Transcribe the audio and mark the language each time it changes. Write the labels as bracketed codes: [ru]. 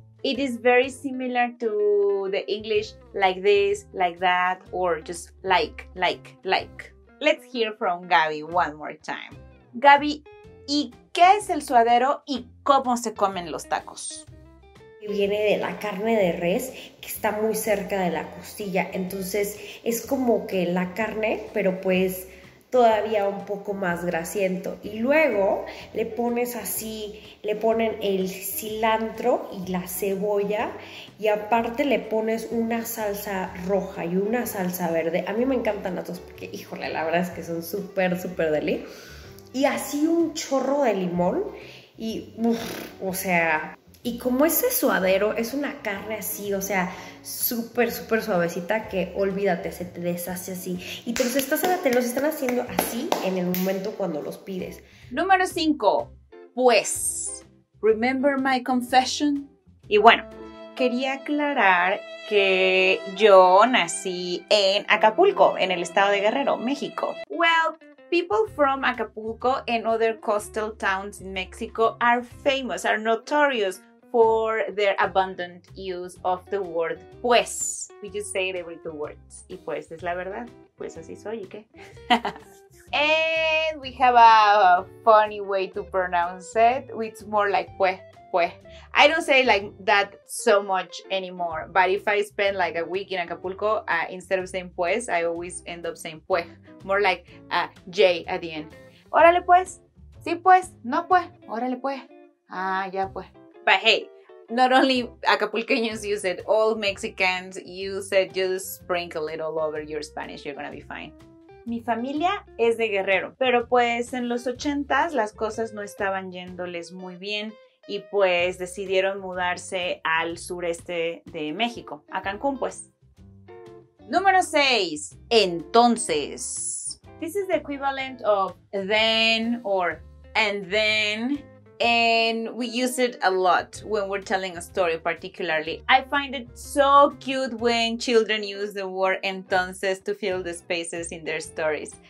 [en] It is very similar to the English, like this, like that, or just like. Let's hear from Gaby one more time. [es] Gaby, ¿y qué es el suadero y cómo se comen los tacos? Viene de la carne de res, que está muy cerca de la costilla. Entonces, es como que la carne, pero pues todavía un poco más grasiento. Y luego le ponen el cilantro y la cebolla y aparte le pones una salsa roja y una salsa verde. A mí me encantan las dos porque, híjole, la verdad es que son súper, súper deli. Y así un chorro de limón y, uff, o sea, y como ese suadero es una carne así, o sea, súper, súper suavecita, que olvídate, se te deshace así. Y te los están haciendo así en el momento cuando los pides. Número 5, pues, [en] remember my confession? [es] Y bueno, quería aclarar que yo nací en Acapulco, en el estado de Guerrero, México. [en] Well, people from Acapulco and other coastal towns in Mexico are famous, are notorious for their abundant use of the word pues. We just say it every 2 words. [es] Y pues es la verdad. Pues así soy, ¿y qué? [en] And we have a funny way to pronounce it. It's more like pues, pues. I don't say like that so much anymore. But if I spend like a week in Acapulco, instead of saying pues, I always end up saying pues. More like a J at the end. [es] Órale pues. Sí pues. No pues. Órale pues. Ah, ya pues. [en] But hey, not only Acapulqueños use it, all Mexicans use it. Just sprinkle it all over your Spanish, you're gonna be fine. [es] Mi familia es de Guerrero, pero pues en los 80s las cosas no estaban yéndoles muy bien y pues decidieron mudarse al sureste de México, a Cancún pues. Número 6. Entonces. [en] This is the equivalent of then or and then. And we use it a lot when we're telling a story, particularly. I find it so cute when children use the word entonces to fill the spaces in their stories.